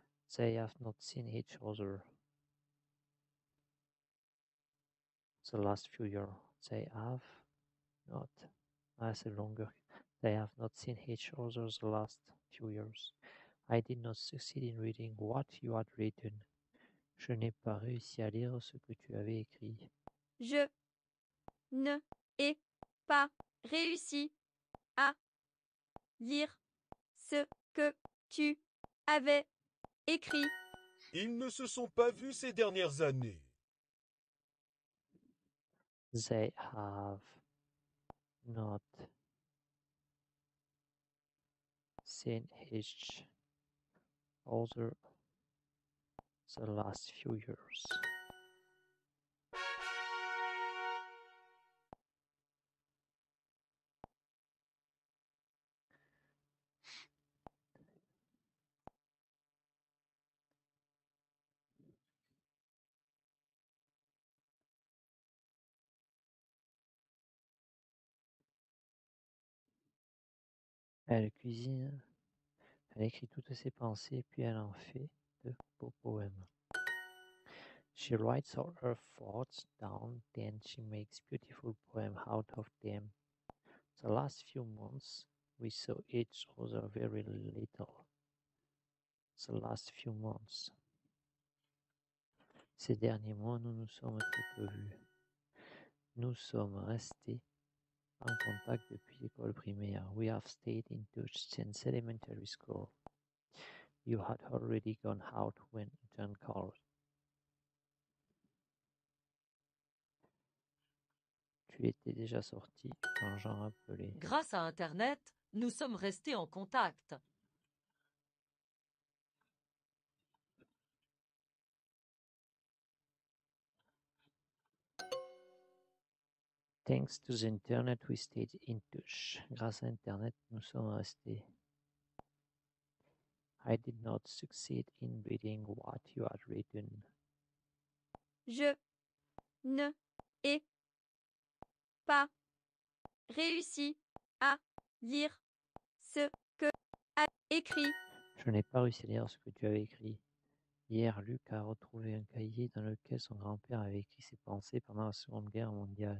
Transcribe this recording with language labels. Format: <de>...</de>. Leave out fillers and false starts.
<en>I did not succeed in reading what you had written.</en> <fr>Je n'ai pas réussi à lire ce que tu avais écrit. Je ne ai pas réussi à lire ce que tu avais écrit. Ils ne se sont pas vus ces dernières années.</fr> <en>They have not seen each other the last few years.</en> <fr>Elle cuisine, elle écrit toutes ses pensées, puis elle en fait de beaux poèmes.</fr> <en>She writes all her thoughts down, then she makes beautiful poems out of them. The last few months, we saw each other very little. The last few months.</en> <fr>Ces derniers mois, nous nous sommes très peu vus. Nous sommes restés en contact depuis l'école primaire.</fr> <en>We have stayed in touch since elementary school. You had already gone out when John called.</en> <fr>Tu étais déjà sorti quand Jean appelait. Grâce à Internet, nous sommes restés en contact.</fr> <en>Thanks to the internet, we stayed in touch.</en> <fr>Grâce à Internet, nous sommes restés.</fr> <en>I did not succeed in reading what you had written.</en> <fr>Je ne ai pas réussi à lire ce que as écrit. Je n'ai pas réussi à lire ce que tu avais écrit. Hier, Luc a retrouvé un cahier dans lequel son grand-père avait écrit ses pensées pendant la Seconde Guerre mondiale.</fr>